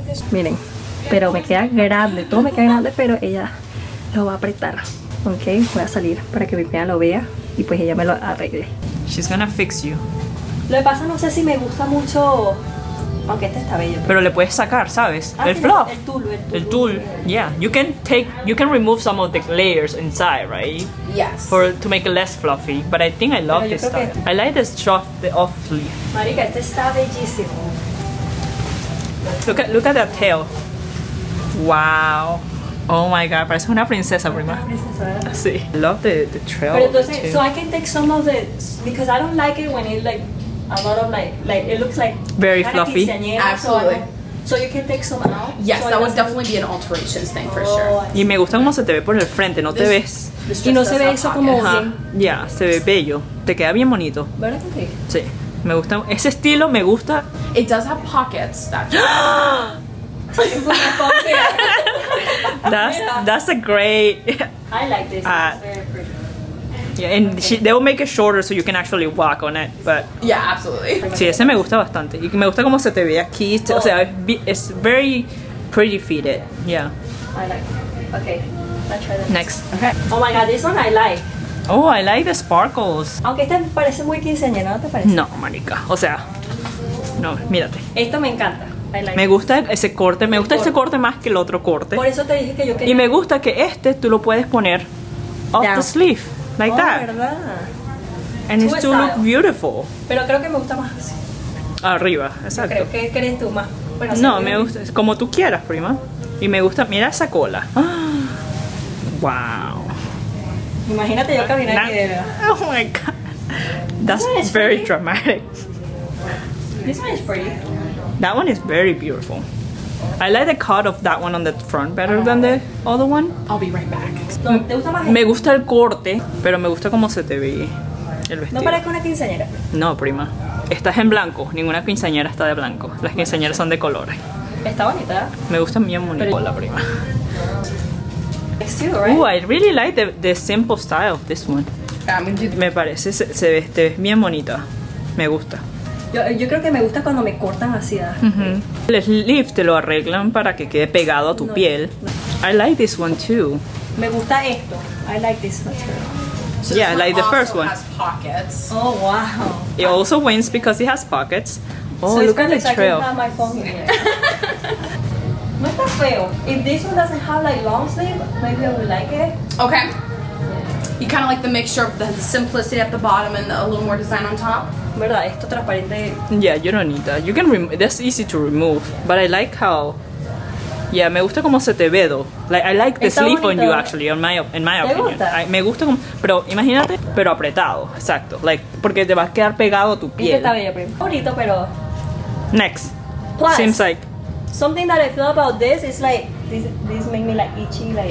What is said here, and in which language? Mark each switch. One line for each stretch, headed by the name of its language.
Spanish: Miren, pero me queda grande. Todo me queda grande, pero ella lo va a apretar. Ok, voy a salir para que mi tía lo vea y pues ella me lo arregle.
English: She's gonna fix you.
Spanish: Lo que pasa, no sé si me gusta mucho, aunque este está bello. Pero le puedes sacar, ¿sabes? Ah, el sí,
English: fluff.
Spanish: El tul.
English: Yeah, you can remove some of the layers inside, right? Yes. For to make it less fluffy, but I think I love this style. I like this off the off sleeve.
Spanish: Marica, este está bellísimo.
English: Look at that tail. Wow. Oh my god,
Spanish: parece una princesa, prima. Una princesa, sí.
English: I love the trail.
Spanish: Pero entonces,
English: so I can take some of the, because I don't like it when it like a lot of like it looks like very fluffy. Absolutely. So you can take some out. Yes, so that would definitely be an alterations thing for sure.
Spanish: Y me gusta cómo se te ve por el frente, no
English: this,
Spanish: te ves. Y no se ve eso como bien. Uh-huh. Yeah, se ve bello. Te queda bien bonito. ¿Verdad? Sí. Me gusta ese estilo, me gusta.
English: It does have pockets. That's a great. I like this. It's very pretty. Yeah, and they will make it shorter so you can actually walk on it. But yeah, absolutely.
Spanish: Sí, ese me gusta bastante. Y me gusta cómo se te ve aquí. O sea,
English: it's very pretty fitted. Yeah. I like. Okay, let's try this. Next. Okay. Oh my god, this one I like. Oh, I like the sparkles.
Spanish: Aunque este parece muy quinceañero, ¿no te parece? No, marica. O sea, no, mírate. Esto me encanta. Me gusta ese corte, me gusta ese corte más que el otro corte. Por eso te dije que yo quería. Y me gusta que este tú lo puedes poner
English: off the sleeve, like that.
Spanish: Oh, verdad.
English: And it still look beautiful.
Spanish: Pero creo que me gusta más así. Arriba, exacto. ¿Qué crees tú más? Bueno, no, me gusta como tú quieras, prima. Y me gusta, mira esa cola. Wow. Imagínate yo caminar aquí de verdad.
English: Oh my god. That's very dramatic. This one is pretty. That one is very beautiful. I like the cut of that one on the front better than the other one. I'll be right back.
Spanish: Me gusta el corte, pero me gusta cómo se te ve el vestido. No parezco una quinceañera. No, prima. Estás en blanco. Ninguna quinceañera está de blanco. Las quinceañeras son de colores. Está bonita. Me gusta bien bonita. Hola, prima.
English: It's too, right? Oh, I really like the simple style of this one.
Spanish: Me parece, se ve bien bonita. Me gusta. Yo creo que me gusta cuando me cortan así. Uh-huh. El sleeve te lo arreglan para que quede pegado a tu piel.
English: No. I like this one too.
Spanish: Me gusta esto.
English: I like this material. So yeah, like the first one. It has pockets. Oh, wow. It also wins because it has pockets. Oh, so look at the trail. So it's because I can have my phone here.
Spanish: No está feo.
English: If this one doesn't have like long sleeve, maybe I would like it. Okay. Yeah. You kind of like the mixture of the simplicity at the bottom and a little more design on top. Yeah, you don't need that. You can that's easy to remove. But I like how.
Spanish: Yeah, me gusta cómo se te ve, though.
English: Like I like the
Spanish: está
English: sleeve
Spanish: bonito.
English: On you, actually. In my opinion,
Spanish: gusta? Me gusta. Como, pero imagínate, pero apretado. Exacto. Like porque te vas a quedar pegado a tu piel. Está bello, pero bonito, pero.
English: Next. Plus. Seems like something that I feel about this is like this make me like itchy, like